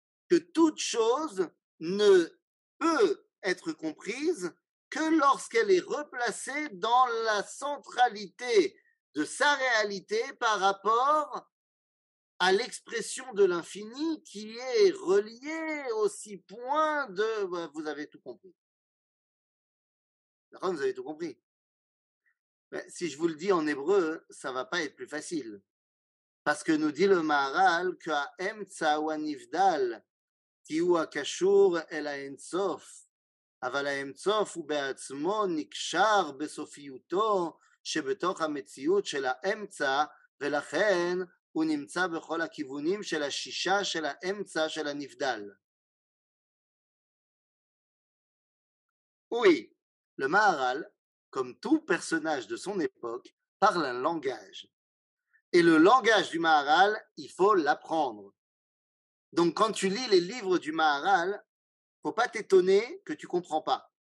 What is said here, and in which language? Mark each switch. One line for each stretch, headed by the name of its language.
French: Que toute chose ne peut être comprise que lorsqu'elle est replacée dans la centralité de sa réalité par rapport à l'expression de l'infini qui est reliée aux 6 points de... Vous avez tout compris. D'accord, vous avez tout compris. Si je vous le dis en hébreu, ça va pas être plus facile. Parce que nous dit le Maharal que à Emtsa ou à Nivdal,
Hebrew: כי הוא הקשור אל האינסוף, אבל האינסוף הוא בעצמו נקשר בסופיותו שבתוך המציאות של האמצע, ולכן הוא נמצא בכל הכיוונים של השישה של האמצע של הנבדל.
French: Oui, le Maharal, comme tout personnage de son époque, parle un langage. Et le langage du Maharal, il faut l'apprendre. Donc quand tu lis les livres du Maharal, faut pas t'étonner que tu comprends pas.